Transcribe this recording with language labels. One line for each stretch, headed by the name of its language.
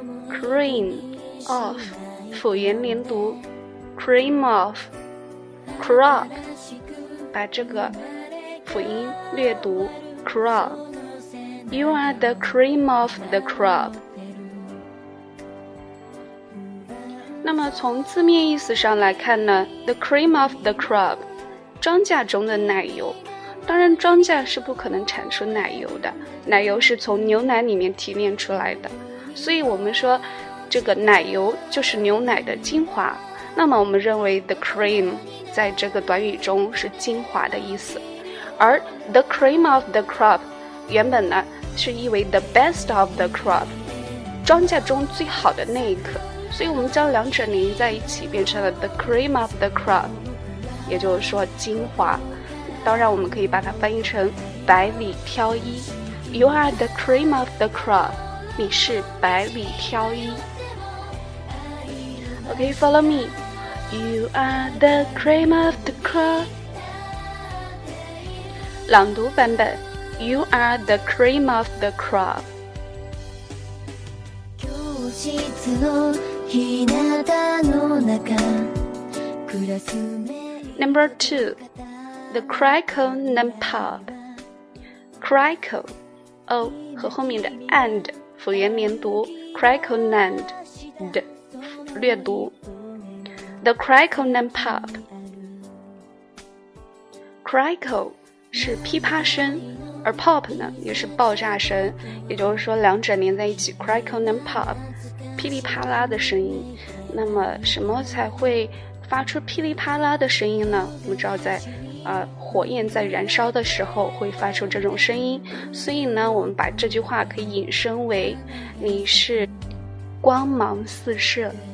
English: Cream of,
Chinese: 辅音连读
English: cream of, crop,
Chinese: 把这个辅音略读
English: crop. You are the cream of the crop.
Chinese: 那么从字面意思上来看呢
English: the cream of the crop,
Chinese: 庄稼中的奶油。当然庄稼是不可能产出奶油的，奶油是从牛奶里面提炼出来的，所以我们说这个奶油就是牛奶的精华。那么我们认为 the cream 在这个短语中是精华的意思，而 the cream of the crop 原本呢是意为
English: the best of the crop，
Chinese: 庄稼中最好的那一颗，所以我们将两者连在一起变成了
English: the cream of the crop，
Chinese: 也就是说精华。当然我们可以把它翻译成百里挑一。
English: You are the cream of the crop，
Chinese: 你是百里挑一。
English: OK, follow me. You are the cream of the crop.
Chinese: 朗读版本
English: You are the cream of the crop. 教室の日向の中クラスメイ Number 2. The crackle and pop. Crackle, O
Chinese: 和后面的
English: and
Chinese: 辅音连读
English: crackle and d
Chinese: 略读
English: The crackle and pop.
Chinese: Crackle 是噼啪声，而 pop 呢也是爆炸声，也就是说两者连在一起
English: crackle and pop，
Chinese: 噼里啪啦的声音。那么什么才会发出噼里啪啦的声音呢？我们知道在火焰在燃烧的时候会发出这种声音，所以呢我们把这句话可以引申为你是光芒四射。